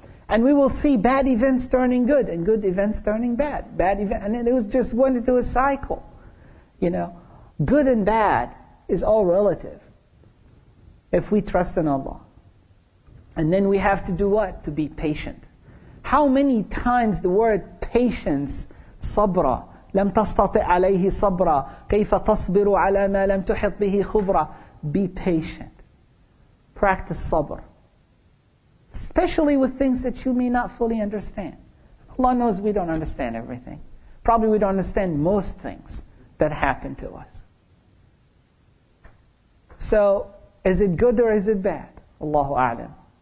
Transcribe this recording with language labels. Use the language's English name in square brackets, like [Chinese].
[English] And we will see bad events turning good and good events turning bad. Bad event, and then it was just going into a cycle. You know, good and bad is all relative. If we trust in Allah. And then we have to do what? To be patient. How many times the word patience, sabra, [Arabic] لم تستطع عليه صبرا كيف تصبر على ما لم تحط به خبرا. [English] Be patient. Practice sabr. Especially with things that you may not fully understand. Allah knows we don't understand everything. Probably we don't understand most things that happen to us. So, is it good or is it bad? Allahu A'lam.